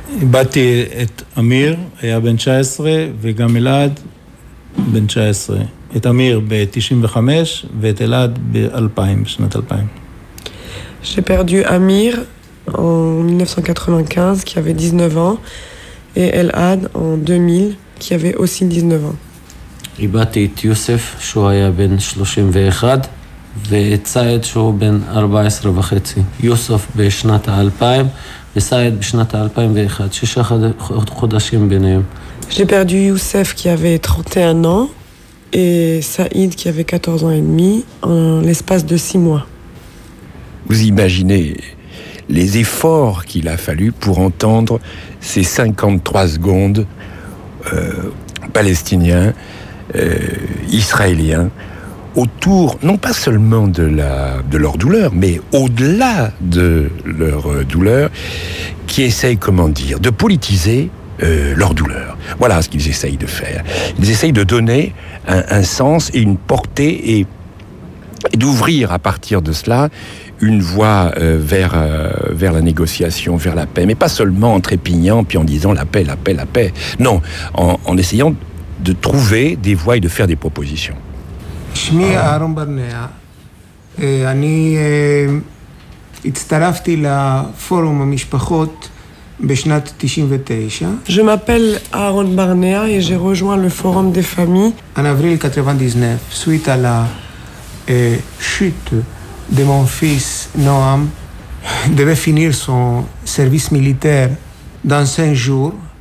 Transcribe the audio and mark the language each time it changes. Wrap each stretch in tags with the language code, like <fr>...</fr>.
<he>באתי את אמיר, היה בן 19, וגם אלעד בן 19. את אמיר ב-95 ואת אלעד ב-2000, בשנת 2000.</he> <fr>J'ai perdu Amir en 1995, qui avait 19 ans, et Elad en 2000, qui avait aussi 19 ans.</fr> <he>איבדתי את יוסף, שהוא היה בן 31, ואת סייד, שהוא בן 14 וחצי. יוסף בשנת 2000, וסייד בשנת 2001, שישה חודשים ביניהם.</he> <fr>J'ai perdu Youssef, qui avait 31 ans, et Saïd, qui avait 14 ans et demi, en l'espace de 6 mois. Vous imaginez les efforts qu'il a fallu pour entendre ces 53 secondes palestiniens, israéliens, autour, non pas seulement de leur douleur, mais au-delà de leur douleur, qui essayent, comment dire, de politiser leur douleur. Voilà ce qu'ils essayent de faire. Ils essayent de donner un sens et une portée et d'ouvrir à partir de cela une voie vers la négociation, vers la paix. Mais pas seulement en trépignant puis en disant la paix, la paix, la paix. Non, en essayant de trouver des voies et de faire des propositions.</fr> <he>שמי אהרון ברנאה, אני הצטרפתי לפורום המשפחות בשנת 99.</he> <fr>Je m'appelle Aaron Barnea et j'ai rejoint le forum des familles. En avril 99, suite à la chute de mon fils Noam, devait finir son service militaire dans 5 jours.</fr>